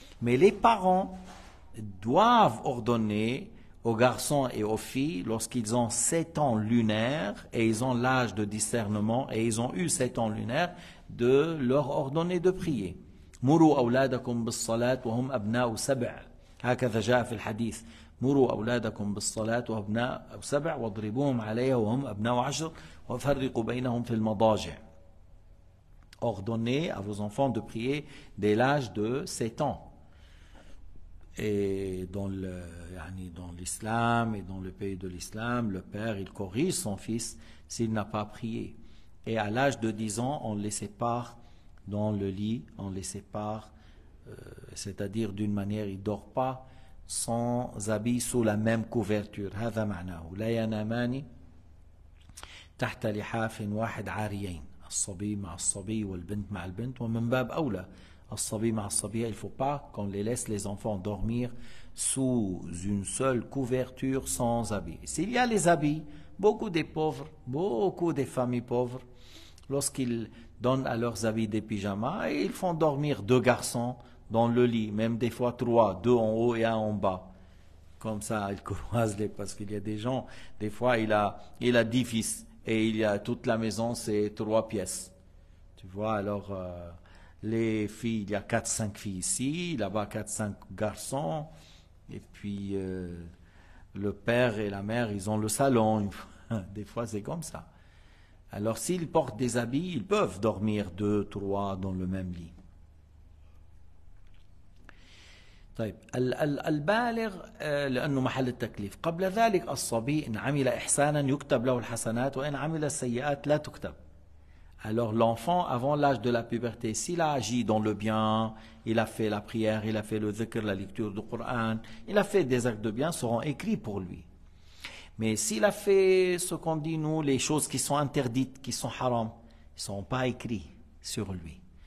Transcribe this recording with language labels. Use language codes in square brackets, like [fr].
[fr] Mais les parents doivent ordonner aux garçons et aux filles, lorsqu'ils ont 7 ans lunaires, et ils ont l'âge de discernement, et ils ont eu 7 ans lunaires, de leur ordonner de prier. [ar] Mouru awladakum bis salat wa hum abna'u sab'a. هكذا جاء في الحديث: مروا أولادكم بالصلاة وأبناء أو سبع واضربوهم علي وهم أبناء عشر وفرقوا بينهم في المضاجع. [fr] Ordonnez à vos enfants de prier dès l'âge de 7 ans. Et dans l'islam et dans le pays de l'islam, le père, il corrige son fils s'il n'a pas prié. Et à l'âge de 10 ans, on les sépare dans le lit, on les sépare, c'est-à-dire d'une manière, il ne dort pas sans habits sous la même couverture. [ar] هذا معناه. لا ينامان تحت لحاف واحد عاريين. الصبي مع الصبي والبنت مع البنت ومن باب أولى الصبي مع الصبي. [fr] Il ne faut pas qu'on les laisse les enfants dormir sous une seule couverture sans habits. S'il y a les habits, beaucoup des pauvres, beaucoup des familles pauvres, lorsqu'ils donnent à leurs habits des pyjamas, ils font dormir deux garçons dans le lit, même des fois trois, deux en haut et un en bas. Comme ça, ils croisent les... Parce qu'il y a des gens, des fois, il a 10 fils. Et il y a toute la maison, c'est 3 pièces. Tu vois, alors, les filles, il y a 4-5 filles ici, là-bas 4-5 garçons. Et puis, le père et la mère, ils ont le salon. Des fois, c'est comme ça. Alors, s'ils portent des habits, ils peuvent dormir 2-3 dans le même lit. [ar] طيب البالغ لأنه محل التكليف قبل ذلك الصبي إن عمل إحسانا يكتب له الحسنات وإن عمل السيئات لا تكتب. [fr] Alors l'enfant avant l'âge de la puberté, s'il a agi dans le bien, il a fait la prière, il a fait le dhikr, la lecture du Coran, il a fait des actes de bien, seront écrits pour lui. Mais s'il a fait ce qu'on dit nous, les choses qui sont interdites, qui sont haram, ils ne seront pas écrits sur lui.